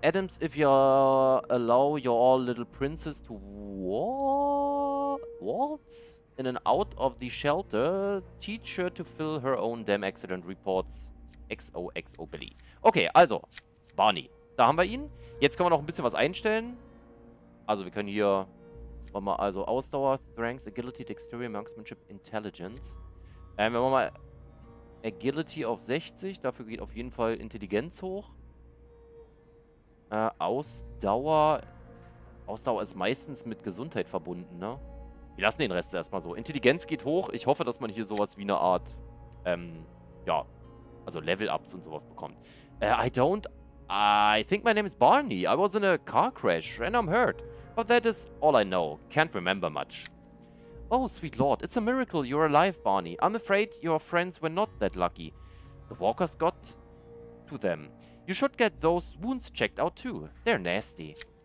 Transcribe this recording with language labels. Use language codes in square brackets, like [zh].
[en] Adams, if you allow your little princess to waltz in and out of the shelter, teach her to fill her own damn accident reports. [de] XOXO Billy. Okay, also, Barney. Da haben wir ihn. Jetzt können wir noch ein bisschen was einstellen. Also, wir können hier, wollen wir also Ausdauer, Strength, Agility, Dexterity, Marksmanship, Intelligence. Wenn wir mal Agility auf 60, dafür geht auf jeden Fall Intelligenz hoch. Ausdauer ist meistens mit Gesundheit verbunden, ne? Wir lassen den Rest erstmal so. Intelligenz geht hoch. Ich hoffe, dass man hier sowas wie eine Art, ja, also Level-Ups und sowas bekommt. [en] I think my name is Barney. I was in a car crash and I'm hurt. But that is all I know. Can't remember much. Oh, sweet lord, it's a miracle you're alive, Barney. I'm afraid your friends were not that lucky. The walkers got to them. You should get those wounds checked out too. They're nasty.